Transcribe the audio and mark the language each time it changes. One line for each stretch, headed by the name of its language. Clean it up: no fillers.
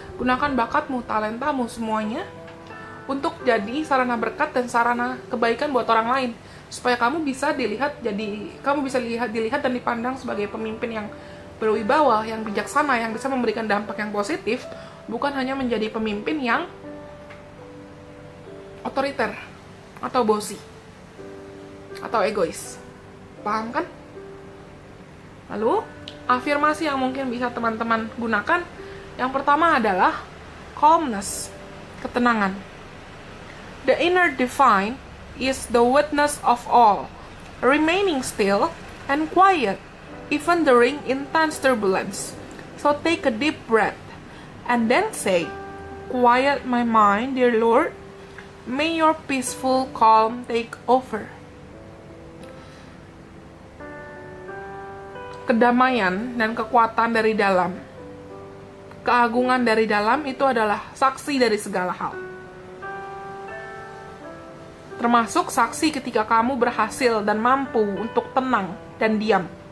Indonesian: Gunakan bakatmu, talentamu, semuanya untuk jadi sarana berkat dan sarana kebaikan buat orang lain, supaya kamu bisa dilihat, jadi kamu bisa dilihat dan dipandang sebagai pemimpin yang berwibawa, yang bijaksana, yang bisa memberikan dampak yang positif, bukan hanya menjadi pemimpin yang otoriter atau bosi atau egois. Paham kan? Lalu afirmasi yang mungkin bisa teman-teman gunakan, yang pertama adalah calmness, ketenangan.
English: The inner divine is the witness of all, remaining still and quiet even during intense turbulence. So take a deep breath and then say, quiet my mind, dear Lord, may your peaceful calm take over.
Indonesian: Kedamaian dan kekuatan dari dalam, keagungan dari dalam itu adalah saksi dari segala hal. Termasuk saksi ketika kamu berhasil dan mampu untuk tenang dan diam.